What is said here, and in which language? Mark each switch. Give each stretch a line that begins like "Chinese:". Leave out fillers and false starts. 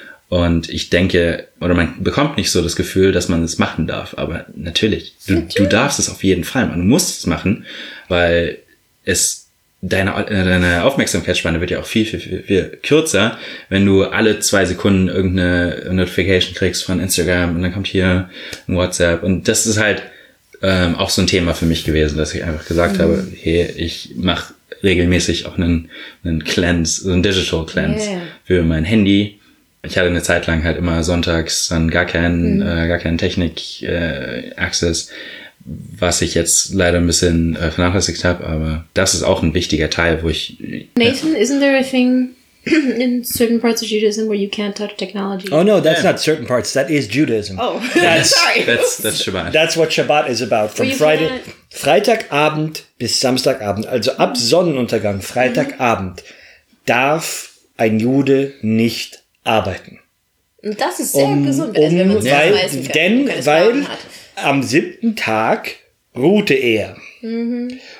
German: Und ich denke, oder man bekommt nicht so das Gefühl, dass man es machen darf, aber natürlich, du darfst es auf jeden Fall, man muss es machen, weil es, deine Aufmerksamkeitsspanne wird ja auch viel kürzer, wenn du alle 2 Sekunden irgendeine Notification kriegst von Instagram und dann kommt hier ein WhatsApp, und das ist halt auch so ein Thema für mich gewesen, dass ich einfach gesagt habe, hey, ich mache regelmäßig auch einen Cleanse, so einen Digital Cleanse für mein Handy. Ich hatte eine Zeit lang halt immer sonntags dann gar keinen Technik-Access, was ich jetzt leider ein bisschen vernachlässigt habe, aber das ist auch ein wichtiger Teil, wo ich...
English: Nathan, isn't there a thing in certain parts of Judaism where you can't touch technology? Oh no, that's not certain parts, that is Judaism. Oh, that's, sorry. That's Shabbat. That's what Shabbat is about. From Friday,
German: Freitagabend bis Samstagabend, also ab Sonnenuntergang, Freitagabend, darf ein Jude nicht arbeiten. Das ist sehr gesund, wenn man es weiß. Weil am 7. Tag ruhte er. Mhm.